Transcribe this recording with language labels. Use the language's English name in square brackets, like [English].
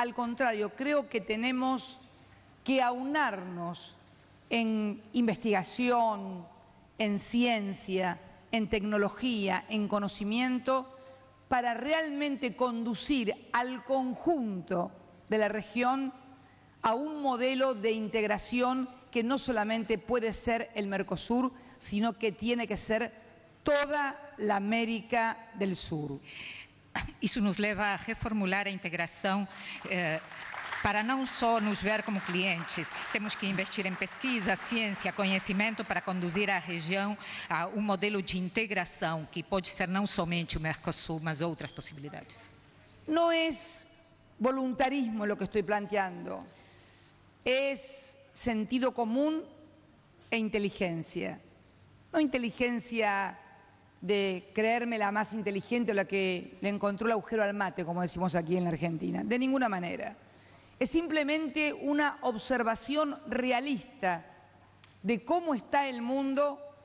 [Spanish] Al contrario, creo que tenemos que aunarnos en investigación, en ciencia, en tecnología, en conocimiento, para realmente conducir al conjunto de la región a un modelo de integración que no solamente puede ser el Mercosur, sino que tiene que ser toda la América del Sur. [Portuguese] Isso nos leva a reformular a integração para não só nos ver como clientes. Temos que investir em pesquisa, ciência, conhecimento para conduzir a região a um modelo de integração que pode ser não somente o Mercosul, mas outras possibilidades. Não é voluntarismo o que estou planteando. [Spanish] Es sentido común e inteligencia. No inteligencia de creerme la más inteligente o la que le encontró el agujero al mate, como decimos aquí en la Argentina, de ninguna manera. Es simplemente una observación realista de cómo está el mundo